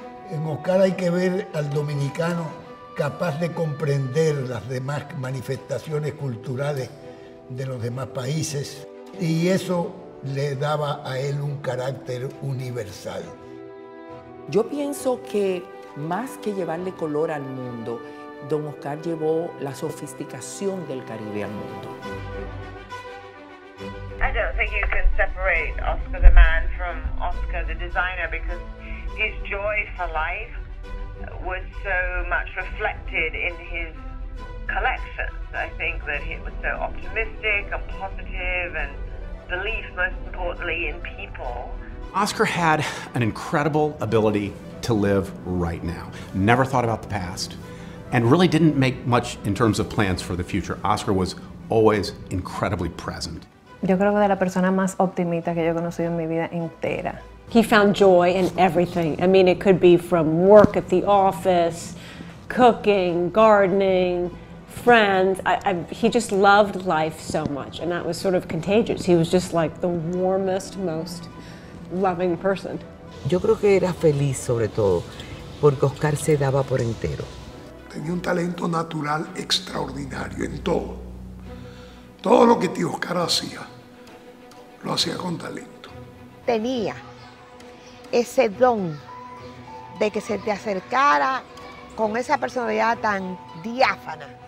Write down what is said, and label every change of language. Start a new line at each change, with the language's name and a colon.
Spanish: En Oscar hay que ver al dominicano capaz de comprender las demás manifestaciones culturales de los demás países, y eso le daba a él un carácter universal. Yo pienso que más que llevarle color al mundo, don Oscar llevó la sofisticación del Caribe al mundo.
English: I don't think you can separate Oscar the man from Oscar the designer, because his joy for life was so much reflected in his collections. I think that he was so optimistic and positive and belief, most importantly, in people. Oscar had an incredible ability to live right now. Never thought about the past, and really didn't make much in terms of plans for the future. Oscar was always incredibly present.
Spanish: Yo creo que de la persona más optimista que yo he conocido en mi vida entera.
English: He found joy in everything. I mean, it could be from work at the office, cooking, gardening, friends. He just loved life so much, and that was sort of contagious. He was just like the warmest, most loving person.
Spanish: Yo creo que era feliz sobre todo porque Oscar se daba por entero. Tenía un talento natural extraordinario en todo. Todo lo que tío Oscar hacía, lo hacía con talento. Tenía ese don de que se te acercara con esa personalidad tan diáfana.